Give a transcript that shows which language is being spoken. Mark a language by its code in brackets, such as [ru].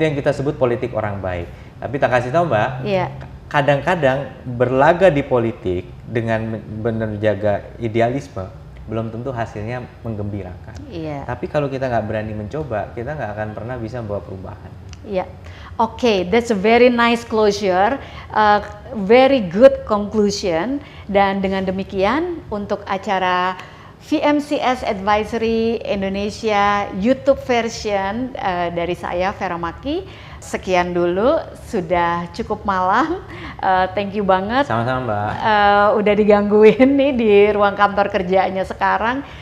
[id] Itu yang kita sebut politik orang baik. Tapi tak kasih tahu Mbak, iya, kadang-kadang berlaga di politik dengan benar jaga idealisme, belum tentu hasilnya menggembirakan. Iya. Tapi kalau kita nggak berani mencoba, kita nggak akan pernah bisa membawa perubahan. Iya. [en] Oke, okay, that's a very nice closure, very good conclusion. [id] Dan dengan demikian, untuk acara VMCS Advisory Indonesia YouTube version dari saya, Vera Makki, sekian dulu, sudah cukup malam. [en] Thank you banget. [id] Sama-sama Mbak. Udah digangguin nih di ruang kantor kerjanya sekarang.